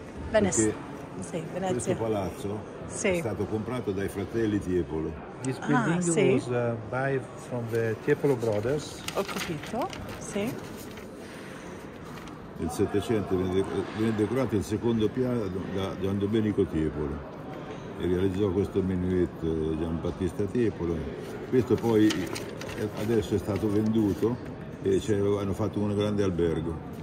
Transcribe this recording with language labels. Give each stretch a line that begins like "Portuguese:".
Italian: Questo palazzo è stato comprato dai fratelli Tiepolo.
English: This building was by from the Tiepolo brothers.
Italian: Ho capito, sì. Nel Settecento venne decorato il secondo piano da Gian Domenico Tiepolo e realizzò questo minuetto Gian Battista Tiepolo. Questo poi adesso è stato venduto e hanno fatto un grande albergo.